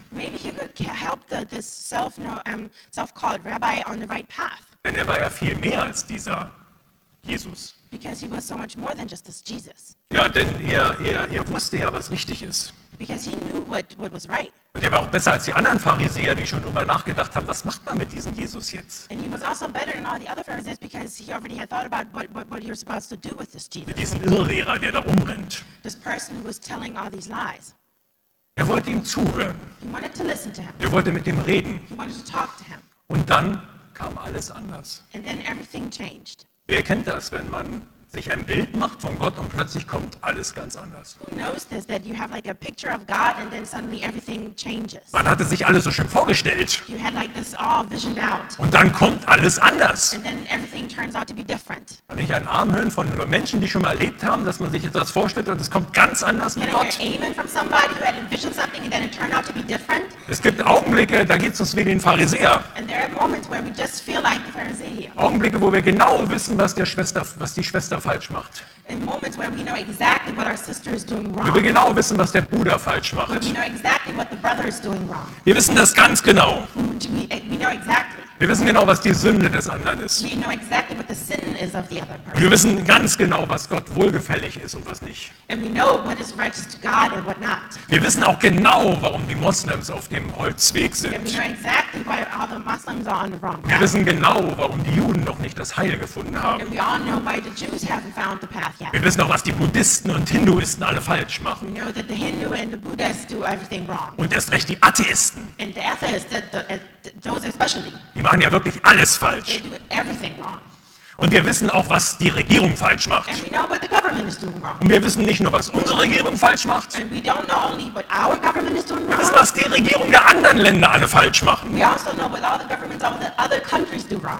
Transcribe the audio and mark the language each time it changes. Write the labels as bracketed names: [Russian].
[English] Maybe he could help this self-called rabbi on the right path. [German] Denn er war ja viel mehr als dieser Jesus. [English] Because he was so much more than just this Jesus. [German] Ja, denn er wusste ja, was richtig ist. [English] Because he knew what was right. [German] Und er war auch besser als die anderen Pharisäer, die schon drüber nachgedacht haben, was macht man mit diesem Jesus jetzt? [English] And he was also better than all the other Pharisees because he already had thought about what you're supposed to do with this Jesus. [German] Mit diesem Irrlehrer, der da rumrennt. [English] This person who was telling all these lies. [German] Er wollte ihm zuhören. [English] He wanted to listen to him. [German] Er wollte mit ihm reden. [English] He wanted to talk to him. [German] Und dann kam alles anders. [English] And then everything changed. [German] Wer kennt das, wenn man sich ein Bild macht von Gott und plötzlich kommt alles ganz anders? [English] Who knows this, that you have like a picture of God and then suddenly everything changes? [German] Man hatte sich alles so schön vorgestellt. [English] You had like this all visioned out. [German] Und dann kommt alles anders. [English] And then everything turns out to be different. [German] Kann ich einen Arm hören von Menschen, die schon mal erlebt haben, dass man sich etwas vorstellt und es kommt ganz anders mit Gott? [English] Can I hear amen from somebody who had envisioned something and then it turned out to be different? [German] Es gibt Augenblicke, da geht es uns wie den Pharisäer. [English] And there are moments where we just feel like the Pharisee. [German] Augenblicke, wo wir genau wissen, was die Schwester falsch macht. [English] In moments where we know exactly what our sister is doing wrong. [German] Wo wir genau wissen, was der Bruder falsch macht. [English] We know exactly what the brother is doing wrong. [German] Wir wissen das ganz genau. [English] We know exactly. [German] Wir wissen genau, was die Sünde des anderen ist. [English] We know exactly what the sin is of the other person. [German] Wir wissen ganz genau, was Gott wohlgefällig ist und was nicht. [English] And we know what is righteous to God and what not. [German] Wir wissen auch genau, warum die Moslems auf dem Holzweg sind. [English] And we know exactly why all the Muslims are on the wrong path. [German] Wir wissen genau, warum die Juden noch nicht das Heil gefunden haben. [English] And we all know why the Jews haven't found the path yet. [German] Wir wissen auch, was die Buddhisten und Hinduisten alle falsch machen. [English] We know that the Hindu and the Buddhists do everything wrong. [German] Und erst recht die Atheisten. [English] And the atheists, those especially. [German] Die machen ja wirklich alles falsch. [English] They do everything wrong. [German] Und wir wissen auch, was die Regierung falsch macht. [English] And we know what the government is doing wrong. [German] Und wir wissen nicht nur, was unsere Regierung falsch macht. [English] And we don't know only what our government is doing wrong. [German] Das ist, was die Regierung der anderen Länder alle falsch machen. [English] We also know what all the governments of the other countries do wrong.